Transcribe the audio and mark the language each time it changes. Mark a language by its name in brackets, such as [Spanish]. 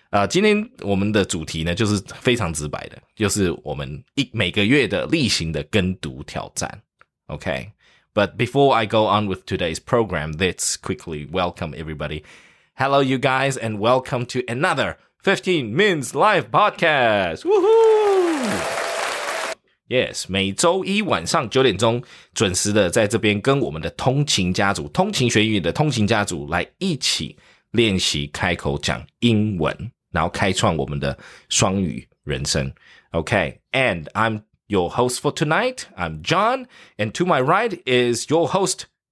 [Chinese] 今天我们的主题呢，就是非常直白的，就是我们每个月的例行的跟读挑战。 [English] OK, but before I go on with today's program, let's quickly welcome everybody. Hello, you guys, and welcome to another 15 Minutes Live Podcast. Woohoo! [Chinese] Yes, 每周一晚上九点钟准时的在这边跟我们的通勤家族，通勤学语的通勤家族来一起练习开口讲英文，然后开创我们的双语人生。 [English] Okay, and I'm your host for tonight. I'm John, and to my right is your host.